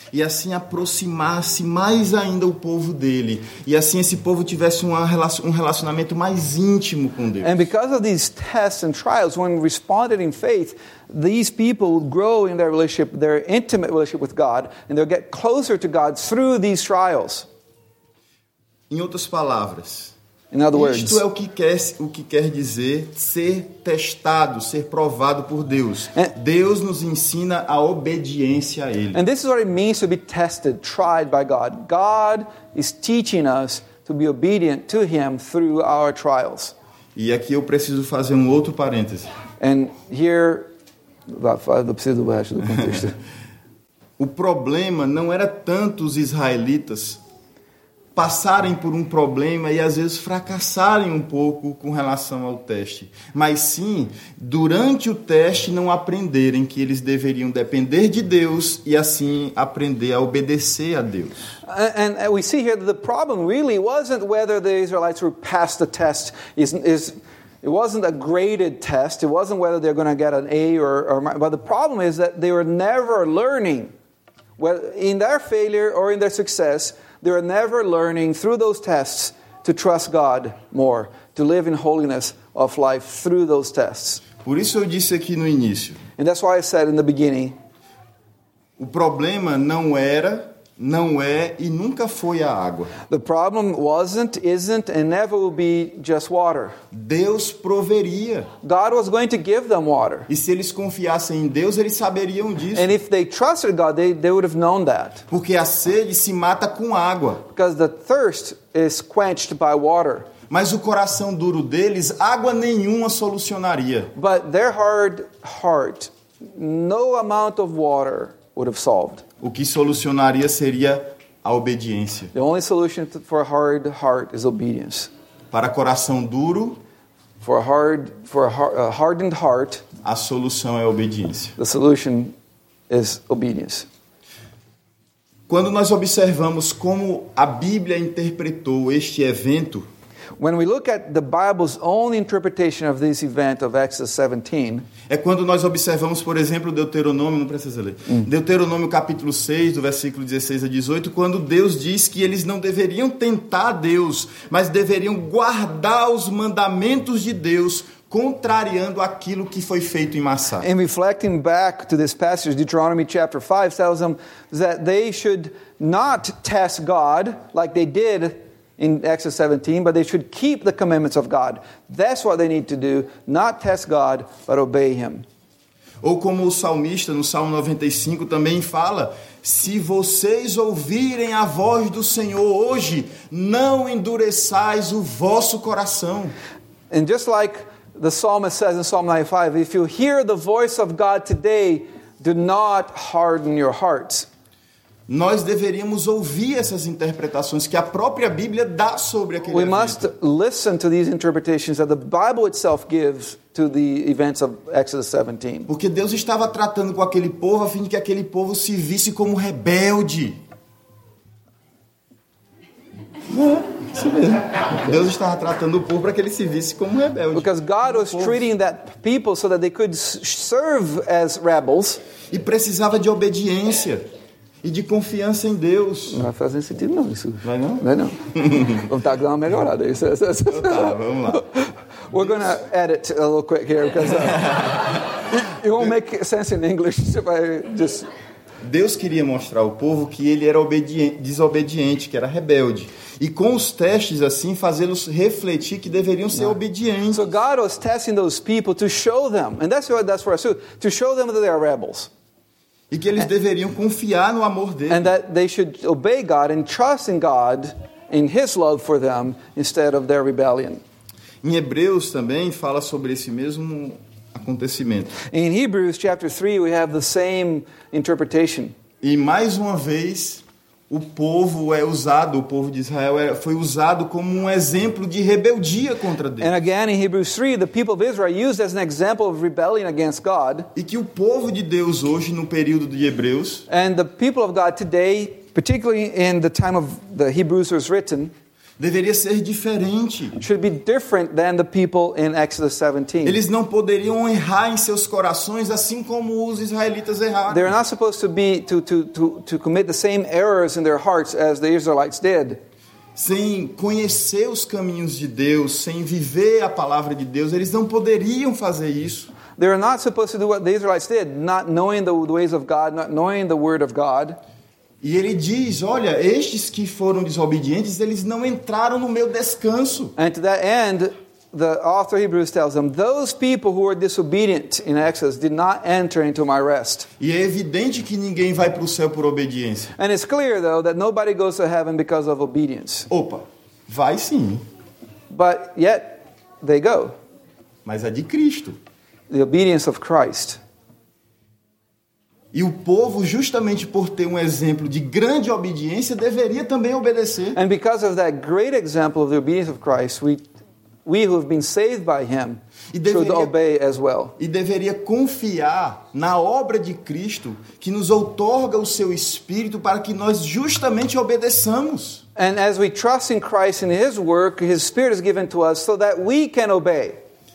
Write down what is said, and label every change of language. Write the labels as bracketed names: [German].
[Portuguese] E assim aproximasse mais ainda o povo dele. E assim esse povo tivesse um relacionamento mais íntimo com Deus. [English] And because of these tests and trials, when responded in faith, these people grow in their relationship, their intimate relationship with God, and they'll get closer to God through these trials. [Portuguese] Em outras palavras, [English] in other words, [Portuguese] isto é o que quer dizer ser testado, ser provado por Deus. And Deus nos ensina a obediência a Ele. [English] And this is what it means to be tested, tried by God. God is teaching us to be obedient to Him through our trials. [Portuguese] E aqui eu preciso fazer um outro parêntese. [English] And here, [Portuguese] eu preciso do resto do contexto. O problema não era tanto os israelitas passarem por um problema e às vezes fracassarem um pouco com relação ao teste, mas sim, durante o teste, não aprenderem que eles deveriam depender de Deus e assim aprender a obedecer a Deus. [English] And we see here that the problem really wasn't whether the Israelites would pass the test. It wasn't a graded test. It wasn't whether they're going to get an A or but the problem is that they were never learning. Well, in their failure or in their success, they were never learning through those tests to trust God more, to live in holiness of life through those tests. [Portuguese] Por isso eu disse aqui no início. [English] And that's why I said in the beginning. [Portuguese] O problema não era, não é e nunca foi a água. [English] The problem wasn't, isn't, and never will be just water. [Portuguese] Deus proveria. [English] God was going to give them water. [Portuguese] E se eles confiassem em Deus, eles saberiam disso. [English] And if they trusted God, they would have known that. [Portuguese] Porque a sede se mata com água. [English] Because the thirst is quenched by water. [Portuguese] Mas o coração duro deles, água nenhuma solucionaria. [English] But their hard heart, no amount of water would have solved. [Portuguese] O que solucionaria seria a obediência. [English] The only solution for a hard heart is obedience. [Portuguese] Para coração duro, [English] for a hardened heart, [Portuguese] a solução é a obediência. [English] The solution is obedience. [Portuguese] Quando nós observamos como a Bíblia interpretou este evento, [English] when we look at the Bible's own interpretation of this event of Exodus 17, [Portuguese] é quando nós observamos, por exemplo, Deuteronômio, não precisa ler. Deuteronômio capítulo 6, do versículo 16 a 18, quando Deus diz que eles não deveriam tentar Deus, mas deveriam guardar os mandamentos de Deus, contrariando aquilo que foi feito em Massá. [English] And reflecting back to this passage, Deuteronomy chapter 5 tells them that they should not test God like they did in Exodus 17, but they should keep the commandments of God. That's what they need to do, not test God, but obey Him. [Portuguese] Ou como o salmista no Salmo 95 também fala, se vocês ouvirem a voz do Senhor hoje, não endureçais o vosso coração. [English] And just like the psalmist says in Psalm 95, if you hear the voice of God today, do not harden your hearts. [Portuguese] Nós deveríamos ouvir essas interpretações que a própria Bíblia dá sobre aquele evento. [English] We must listen to these interpretations that the Bible itself gives to the events of Exodus 17. [Portuguese] Porque Deus estava tratando com aquele povo a fim de que aquele povo se visse como rebelde. Deus estava tratando o povo para que ele se visse como rebelde. [English] Because God was treating that people so that they could serve as rebels. [Portuguese] E precisava de obediência. E de confiança em Deus. Não vai fazer sentido não isso. Vai não? Vai não. Vamos dar uma melhorada aí. Tá, vamos lá. [English] We're going to edit a little quick here. Because it won't make sense in English. If I just... [Portuguese] Deus queria mostrar ao povo que ele era desobediente, que era rebelde. E com os testes assim, fazê-los refletir que deveriam ser obedientes. [English] So God was testing those people to show them. And that's for us too. To show them that they are rebels. [Portuguese] E que eles deveriam confiar no amor dele. [English] And that they should obey God and trust in God in His love for them instead of their rebellion. [Portuguese] Em Hebreus também fala sobre esse mesmo acontecimento. [English] In Hebrews chapter 3 we have the same interpretation. [Portuguese] E mais uma vez o povo é usado, o povo de Israel foi usado como um exemplo de rebeldia contra Deus. [English] And again in Hebrews 3, the people of Israel are used as an example of rebellion against God. [Portuguese] E que o povo de Deus hoje no período de Hebreus, [English] and the people of God today, particularly in the time of the Hebrews was written, [Portuguese] deveria ser diferente. [English] Should be different than the people in Exodus 17. [Portuguese] Eles não poderiam errar em seus corações assim como os israelitas erraram. [English] They're not supposed to be to commit the same errors in their hearts as the Israelites did. [Portuguese] Sem conhecer os caminhos de Deus, sem viver a palavra de Deus, eles não poderiam fazer isso. [English] They're not supposed to do what the Israelites did, not knowing the ways of God, not knowing the word of God. [Portuguese] E ele diz, olha, estes que foram desobedientes, eles não entraram no meu descanso. [English] And to that end, the author of Hebrews tells them, those people who were disobedient in Exodus did not enter into my rest. [Portuguese] E é evidente que ninguém vai para o céu por obediência. [English] And it's clear, though, that nobody goes to heaven because of obedience. [Portuguese] Opa, vai sim. [English] But yet, they go. [Portuguese] Mas é de Cristo. [English] The obedience of Christ. [Portuguese] E o povo, justamente por ter um exemplo de grande obediência, deveria também obedecer. [English] And because of that great example of the obedience of Christ, we who have been saved by him should obey as well. [Portuguese] E deveria confiar na obra de Cristo que nos outorga o seu Espírito para que nós justamente obedeçamos. [English] And as we trust in Christ and his work, his Spirit is given to us so that we can obey.